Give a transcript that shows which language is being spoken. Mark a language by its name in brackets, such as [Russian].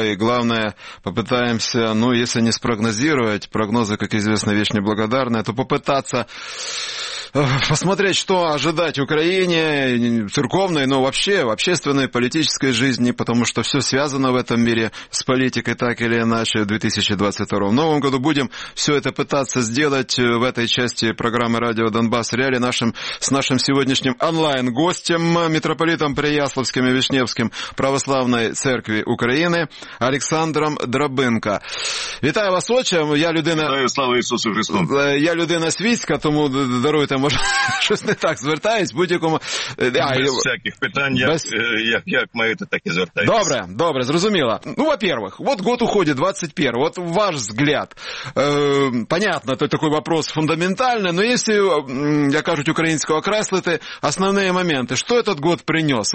[Russian] И главное, попытаемся, ну, если не спрогнозировать, прогнозы, как известно, вещь неблагодарная, то попытаться посмотреть, что ожидать Украине, церковной, но вообще в общественной, политической жизни, потому что все связано в этом мире с политикой так или иначе в 2022. В новом году будем все это пытаться сделать в этой части программы «Радио Донбасс Реали» с нашим сегодняшним онлайн-гостем, митрополитом Переяславским и Вишневским Православной Церкви Украины Александром Дробинко. [Ukrainian] Вітаю вас отчим, я людина... Слава Ісусу Христу! Я людина свіська, тому даруйте. Там, може, щось не так звертаюсь, будь-якому... Без всяких питань, як маєте, так і звертаюсь. Добре, зрозуміло. [Russian] Ну, во-первых, вот год уходит, 21-й, вот ваш взгляд. Понятно, то такой вопрос фундаментальный, но если, [Ukrainian] як кажуть, українського окреслити, [Russian] основные моменты, что этот год принес?